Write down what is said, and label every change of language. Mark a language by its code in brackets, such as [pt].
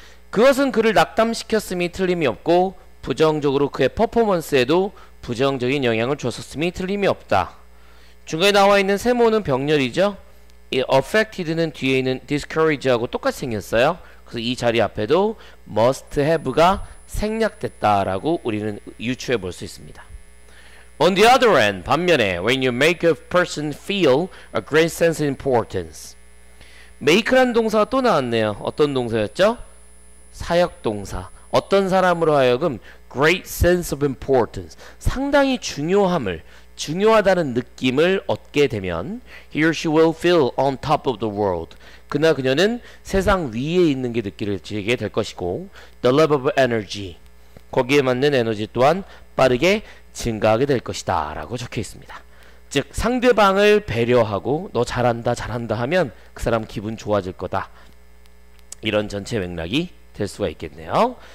[ko] 그것은 그를 낙담시켰음이 틀림이 없고 부정적으로 그의 퍼포먼스에도 부정적인 영향을 줬었음이 틀림이 없다. 중간에 나와 있는 세모는 병렬이죠. 이 affected는 뒤에 있는 discourage하고 똑같이 생겼어요. 그래서 이 자리 앞에도 must have가 생략됐다라고 우리는 유추해 볼 수 있습니다. [en] On the other hand, [ko] 반면에 [en] when you make a person feel a great sense of importance. [ko] make란 동사가 또 나왔네요. 어떤 동사였죠? 사역 동사. 어떤 사람으로 하여금 [en] great sense of importance. [ko] 상당히 중요함을, 중요하다는 느낌을 얻게 되면 [en] he or she will feel on top of the world. [ko] 그나 그녀는 세상 위에 있는 게 느끼게 될 것이고 [en] the love of energy [ko] 거기에 맞는 에너지 또한 빠르게 증가하게 될 것이다 라고 적혀 있습니다. 즉 상대방을 배려하고 너 잘한다 잘한다 하면 그 사람 기분 좋아질 거다, 이런 전체 맥락이 될 수가 있겠네요.